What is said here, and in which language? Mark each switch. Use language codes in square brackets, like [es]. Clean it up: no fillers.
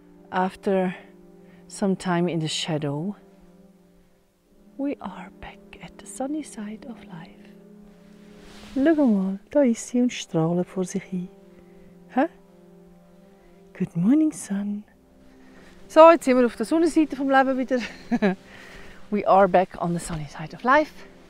[en] After some time in the shadow, we are back at the sunny side of life. [de] Schau mal, da ist sie und strahlt vor sich hin. Hä? [en] Good morning, sun. [de] So, jetzt sind wir auf der Sonnenseite vom Leben wieder. [en] We are back on the sunny side of life.